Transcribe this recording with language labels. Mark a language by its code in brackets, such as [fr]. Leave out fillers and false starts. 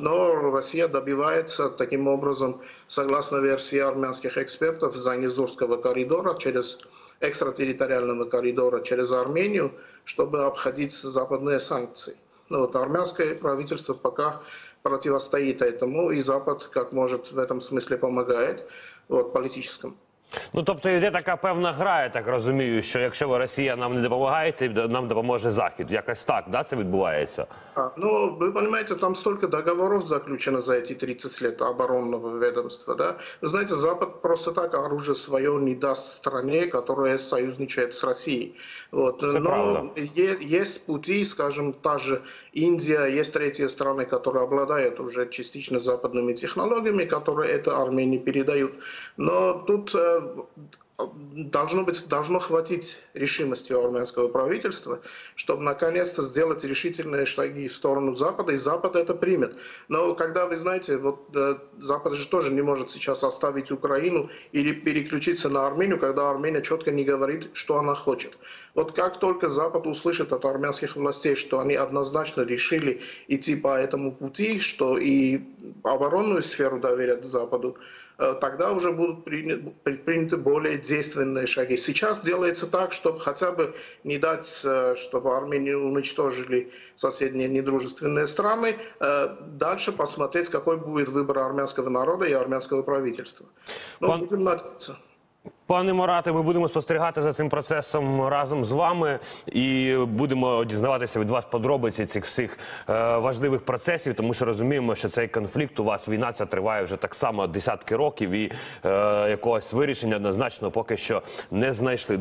[ru] Но Россия добивается таким образом, согласно версии армянских экспертов, Занезурского коридора, через экстратерриториального коридора, через Армению, чтобы обходить западные санкции. Вот. Армянское правительство пока противостоит этому, и Запад, как может, в этом смысле помогает, вот, политическом. [uk] Ну, тобто, йде така певна гра, я так розумію, що якщо ви, Росія, нам не допомагаєте, нам допоможе Захід. Якось так, да, це відбувається? А, ну, ви розумієте, там стільки договорів заключено за ці 30 років оборонного відомства, да? Ви знаєте, Запад просто так оружие своє не дасть країні, яка союзничає з Росією. Вот. Це Но правда. Є пути, скажімо, та ж Індія, є треті країни, які обладають вже частично западними технологіями, які це Армені передають. [ru] Но тут должно хватить решимости у армянского правительства, чтобы наконец-то сделать решительные шаги в сторону Запада, и Запад это примет. Но когда вы знаете, вот Запад же тоже не может сейчас оставить Украину или переключиться на Армению, когда Армения четко не говорит, что она хочет. Вот как только Запад услышит от армянских властей, что они однозначно решили идти по этому пути, что и оборонную сферу доверят Западу, тогда уже будут предприняты более действенные шаги. Сейчас делается так, чтобы хотя бы не дать, чтобы Армению уничтожили соседние недружественные страны. Дальше посмотреть, какой будет выбор армянского народа и армянского правительства. Ну, будем надеяться. [uk] Пане Марате, ми будемо спостерігати за цим процесом разом з вами і будемо дізнаватися від вас подробиці цих всіх важливих процесів, тому що розуміємо, що цей конфлікт у вас, війна ця триває вже так само десятки років і якогось вирішення однозначно поки що не знайшли.